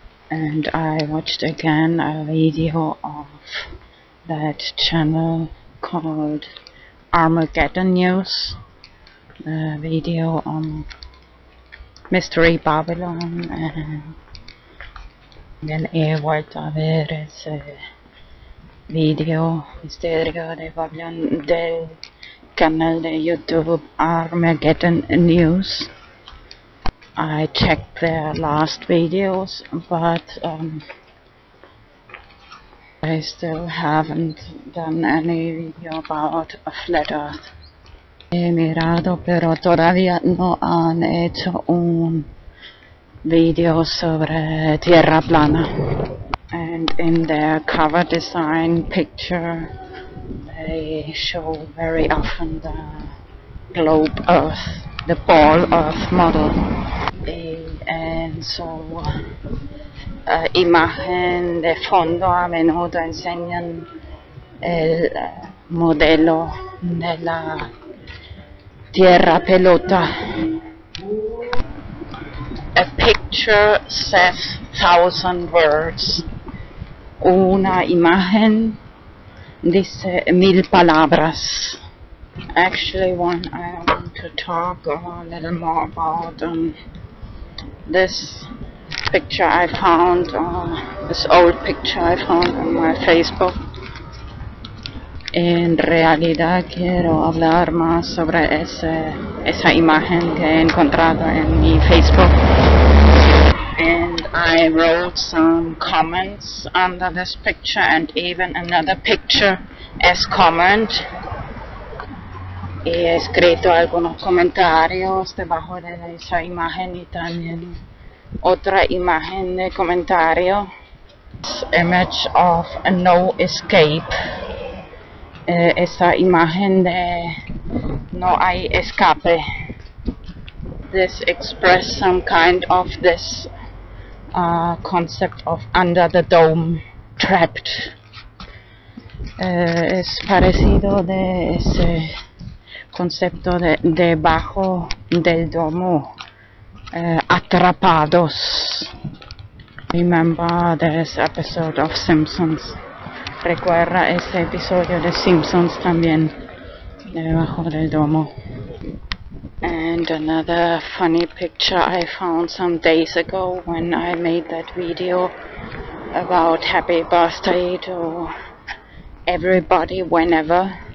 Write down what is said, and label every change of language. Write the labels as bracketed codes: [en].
[en] And I watched again a video of that channel called Armageddon News, a video on Mystery Babylon, and then he went to [es] ver ese video Misterio de Babylon del canal de YouTube Armageddon News. [en] I checked their last videos, but I still haven't done any video about a flat earth. [es] He mirado, pero todavía no han hecho un video sobre Tierra Plana. [en] And in their cover design picture, they show very often the globe Earth, the ball Earth model. And so, [es] imagen de fondo a menudo enseñan el modelo de la Tierra Pelota. [en] A picture says 1,000 words. [es] Una imagen dice 1,000 palabras. [en] Actually, one I want to talk a little more about this picture I found, this old picture I found on my Facebook. [es] En realidad quiero hablar más sobre esa imagen que he encontrado en mi Facebook. [en] And I wrote some comments under this picture, and even another picture as comment. [es] He escrito algunos comentarios debajo de esa imagen y también otra imagen de comentario. [en] This image of a no escape. [es] Esa imagen de no hay escape. [en] This expresses some kind of this concept of under the dome, trapped. [es] Es parecido de ese concepto de debajo del domo, atrapados. [en] Remember this episode of Simpsons. [es] Recuerda ese episodio de Simpsons también, debajo del domo. [en] And another funny picture I found some days ago when I made that video about happy birthday to everybody whenever.